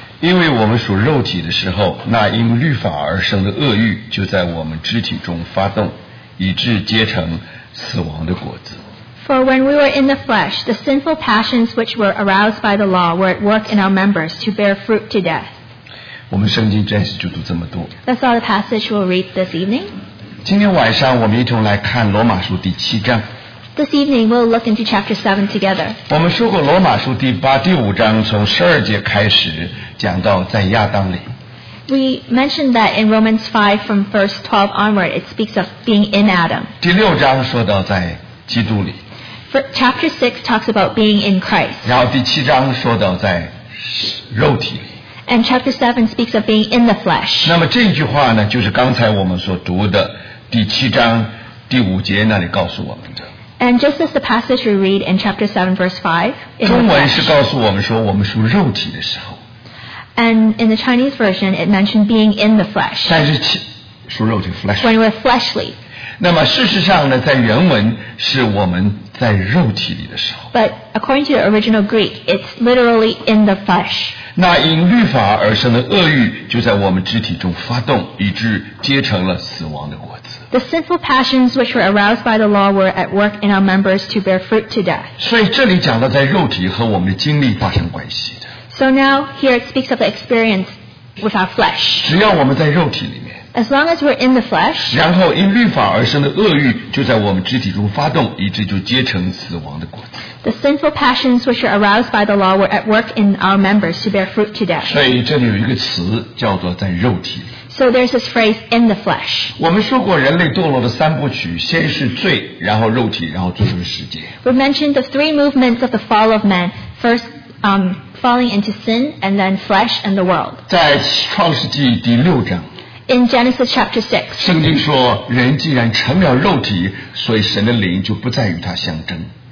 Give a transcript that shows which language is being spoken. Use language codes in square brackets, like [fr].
[zh] 因为我们属肉体的时候，那因律法而生的恶欲就在我们肢体中发动，以致结成死亡的果子。 [en] For when we were in the flesh, the sinful passions which were aroused by the law were at work in our members to bear fruit to death. [zh] 我们圣经暂时就读这么多。 [en] That's all the passage we'll read this evening. [zh] 今天晚上我们一同来看罗马书第七章。 [en] This evening, we'll look into chapter 7 together. [zh] 我们说过罗马书第八、第五章从十二节开始讲到在亚当里。 [en] We mentioned that in Romans 5 from verse 12 onward, it speaks of being in Adam. [zh] 第六章说到在基督里。 [en] Chapter 6 talks about being in Christ. [zh] 然后第七章说到在肉体里。 [en] And chapter 7 speaks of being in the flesh. [zh] 那么这句话呢，就是刚才我们所读的第七章第五节那里告诉我们的。 [en] And just as the passage we read in chapter 7, verse 5, [zh] 中文是告诉我们说我们属肉体的时候。 [en] And in the Chinese version, it mentioned being in the flesh. [zh] 但是属肉体 flesh. [en] When we're fleshly. [zh] 那么事实上呢，在原文是我们在肉体里的时候。 [en] But according to the original Greek, it's literally in the flesh. [zh] 那因律法而生的恶欲就在我们肢体中发动，以致结成了死亡的果子。 [en] The sinful passions which were aroused by the law were at work in our members to bear fruit to death. [zh] 所以这里讲到在肉体和我们的经历发生关系的。 [en] So now, here it speaks of the experience with our flesh. [zh] 只要我们在肉体里面。 [en] As long as we're in the flesh. [zh] 然后因律法而生的恶欲就在我们肢体中发动，以致就结成死亡的果子。 [en] The sinful passions which were aroused by the law were at work in our members to bear fruit to death. [zh] 所以这里有一个词叫做在肉体里。 [en] So there's this phrase, in the flesh. [zh] 我们说过人类堕落的三部曲，先是罪，然后肉体，然后最后是世界。 [en] We mentioned the three movements of the fall of man. First, falling into sin, and then flesh and the world. [zh] 在创世纪第六章。 [en] In Genesis chapter 6. [zh] 圣经说，人既然成了肉体，所以神的灵就不再与他相争。